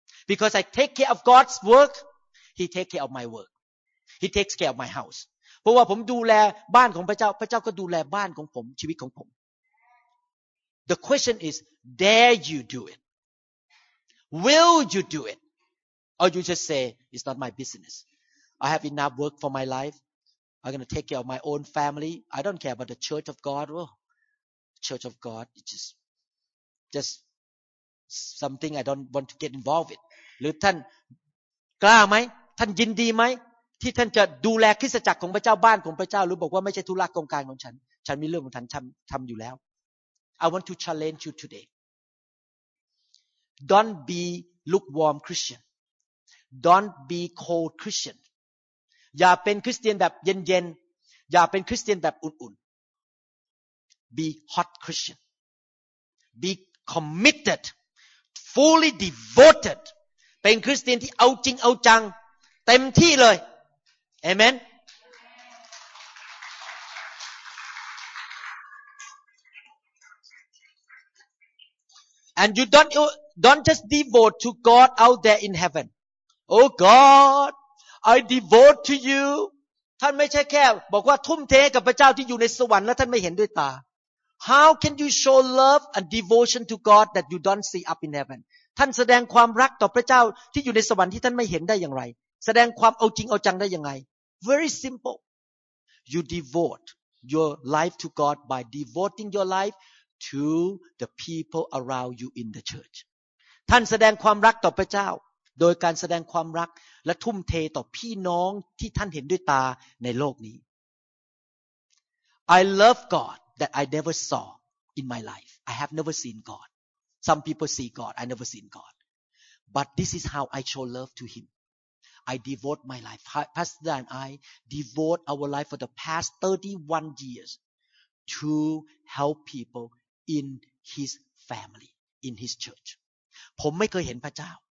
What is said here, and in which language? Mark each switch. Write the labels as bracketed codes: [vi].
[en] Because I take care of God's work He takes care of my work He takes care of my house [th] เพราะว่าผมดูแลบ้านของพระเจ้าก็ดูแลบ้านของผมชีวิตของผม [en] The question is dare you do it Will you do itOr you just say, it's not my business. I have enough work for my life. I'm going to take care of my own family. I don't care about the church of God. Oh, church of God, it's just something I don't want to get involved with. [th] หรือท่านกล้าไหมท่านยินดีไหมที่ท่านจะดูแลคริสตจักรของพระเจ้าบ้านของพระเจ้าหรือบอกว่าไม่ใช่ธุระโครงการของฉันฉันมีเรื่องของท่านทำอยู่แล้ว [en] I want to challenge you today. Don't be lukewarm Christian. Don't be cold Christian. [th] อย่าเป็นคริสเตียนแบบเย็นๆอย่าเป็นคริสเตียนแบบอุ่นๆ [en] Be hot Christian. Be committed, fully devoted. [th] เป็นคริสเตียนที่เอาจริงเอาจังเต็มที่เลย Amen. [en] And you don't just devote to God out there in heaven. Oh God, I devote to you. [th] ท่านไม่ใช่แค่บอกว่าทุ่มเทกับพระเจ้าที่อยู่ในสวรรค์แล้วท่านไม่เห็นด้วยตา [en] How can you show love and devotion to God that you don't see up in heaven? [th] ท่านแสดงความรักต่อพระเจ้าที่อยู่ในสวรรค์ที่ท่านไม่เห็นได้อย่างไรแสดงความเอาจริงเอาจังได้ยังไง [en] Very simple. You devote your life to God by devoting your life to the people around you in the church. [th] ท่านแสดงความรักต่อพระเจ้าโดยการแสดงความรักและทุ่มเทต่อพี่น้องที่ท่านเห็นด้วยตาในโลกนี้ [en] I love God that I never saw in my life I have never seen God Some people see God I never seen God But this is how I show love to him I devote my life Pastor Dan and I devote our life for the past 31 years to help people in his family in his church [th] ผมไม่เคยเห็นพระเจ้า